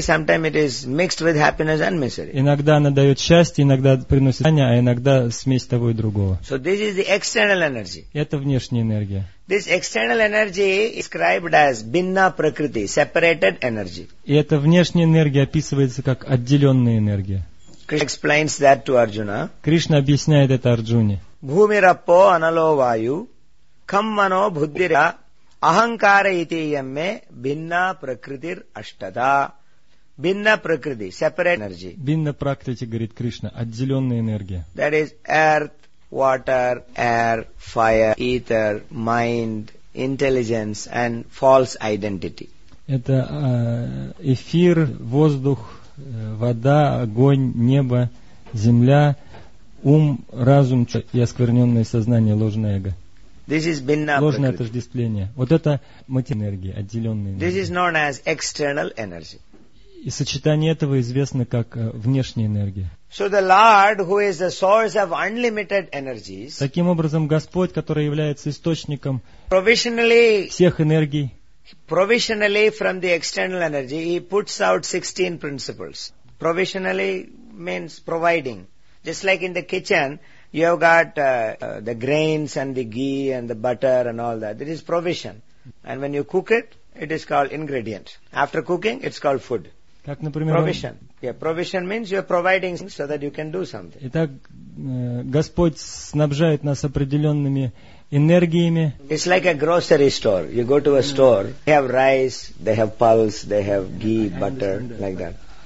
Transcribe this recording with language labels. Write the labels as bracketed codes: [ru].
[en] Sometimes it is mixed with happiness and misery. [ru] Иногда она дает счастье, иногда приносит страдания, а иногда смесь того и другого. [en] So this is the external energy. [ru] Это внешняя энергия. [en] This external energy is described as bhinna prakriti, separated energy. [ru] И эта внешняя энергия описывается как отделенная энергия. [en] Krishna explains that to Arjuna. [ru] Кришна объясняет это Арджуне. [sa] Bhumirappo analo vayu, kammano buddhira. Ахамкара итийамме бинна пракритир аштада. [en] Бинна пракрити, separate energy. [ru] Бинна пракрити, говорит Кришна, отделенная энергия. [en] That is earth, water, air, fire, ether, mind, intelligence and false identity. [ru] Это эфир, воздух, вода, огонь, небо, земля, ум, разум и оскверненное сознание, ложное эго. [en] This is binna [ru] ложное prakriti. Отождествление. Вот это материя энергии, отделенная энергия. [en] This is known as external energy. [ru] И сочетание этого известно как внешняя энергия. [en] So the Lord, who is the source of unlimited energies, [ru] таким образом, Господь, который является источником [en] provisionally, [ru] всех энергий, [en] provisionally from the external energy, he puts out 16 principles. Provisionally means providing. Just like in the kitchen, you have got the grains and the ghee and the butter and all that. It is provision. And when you cook it, it is called ingredient. After cooking, it's called food. [ru] Как, например, [en] provision. Yeah, provision means you are providing so that you can do something. [ru] Итак, Господь снабжает нас определенными энергиями. [en] It's like a grocery store. You go to a store, they have rice, they have pulse, they have ghee, butter, like that.